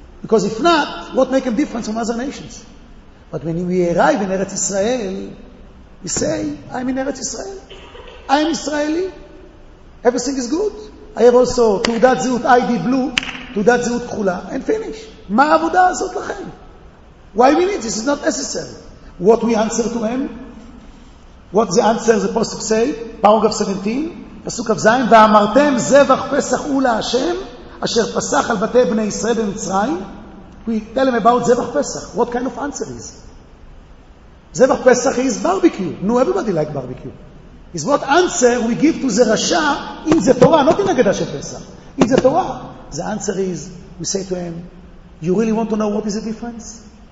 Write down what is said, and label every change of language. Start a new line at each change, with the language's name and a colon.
English: Because if not, what make him difference from other nations? But when we arrive in Eretz Yisrael, we say, I'm in Eretz Yisrael. I'm Israeli. Everything is good. I have also תעודת זהות ID blue,
Hebrew: תעודת זהות כחולה,
English: and finish.
Hebrew: מה העבודה הזאת לכם?
English: Why we need this? It's not necessary. What we answer to him? What the answer the post of say?
Hebrew: Paragraph 17, פסוק אף זיים, ואמרתם זבח פסח הוא להשם, אשר פסח על בתי בני ישראל במצרים.
English: We tell him about זבח פסח. What kind of answer is? זבח פסח is barbecue. No, everybody like barbecue. Is what answer we give to the Rasha in the Torah, not in the Haggadah של פסח. In the Torah. The answer is, we say to him, you really want to know what is the difference?